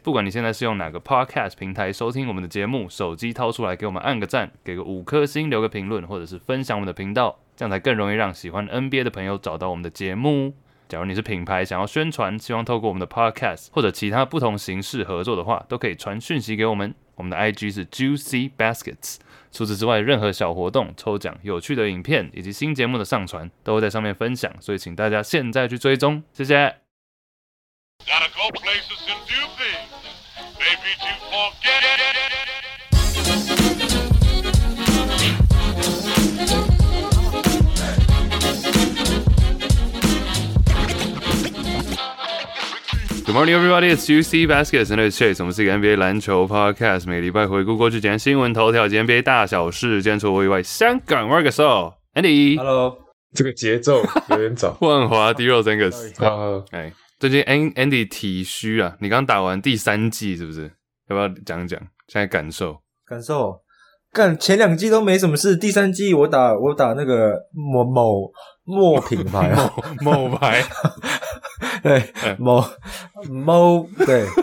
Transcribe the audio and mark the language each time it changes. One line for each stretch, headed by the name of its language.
Chinese: 不管你现在是用哪个 Podcast 平台收听我们的节目，手机掏出来给我们按个赞，给个五颗星，留个评论，或者是分享我们的频道，这样才更容易让喜欢 NBA 的朋友找到我们的节目。假如你是品牌想要宣传，希望透过我们的 Podcast 或者其他不同形式合作的话，都可以传讯息给我们。我们的 IG 是 Juicy Baskets。除此之外，任何小活动、抽奖、有趣的影片以及新节目的上传都会在上面分享，所以请大家现在去追踪，谢谢。
English: Gotta go places and do things, maybe to forget it. Good morning, everybody. It's Juicy Baskets and it's Chase.
Chinese: 我们是一个 NBA 篮球 podcast， 每礼拜回顾过去几天新闻头条及 NBA 大小事。今天除我以外，香港 Mark Gasol Andy。 Hello， 这个节奏有点早。万华 Dero Zengas。最近 Andy 体虚啊，你刚打完第三季是不是？要不要讲讲现在感受？感受，干前两季都没什么事，第三季我打那个某品牌、啊，某牌，对，某对。